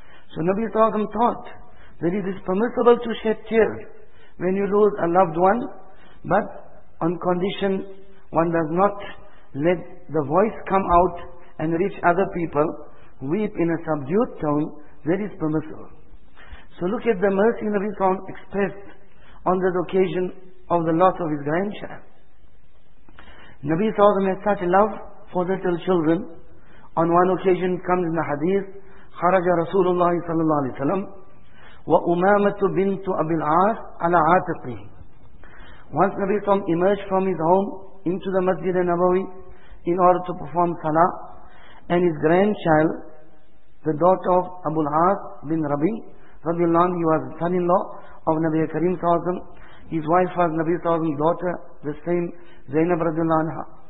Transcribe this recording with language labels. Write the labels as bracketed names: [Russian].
[English] So Nabi Sallallahu Alaihi Wasallam taught that it is permissible to shed tears when you lose a loved one, but on condition one does not let the voice come out and reach other people, weep in a subdued tone, that is permissible. So look at the mercy Nabi Sallallahu Alaihi Wasallam expressed on this occasion of the loss of his grandchild. Nabi Sallallahu Alaihi Wasallam had such love for the little children. On one occasion comes in the hadith, [Arabic] خرج رسول الله صلى الله عليه وسلم وأمامة بنت أبي العاص على عاتقه. [English] Once Nabi Sallam emerged from his home into the Masjid al-Nabawi in order to perform salah, and his grandchild, the daughter of Abu al-Aas bin Rabi radiallahu anhu, he was son-in-law of Nabi Karim Sallallahu Alaihi Wasallam. His wife was Nabi Sallam's daughter, the same Zainab radiallahu anha.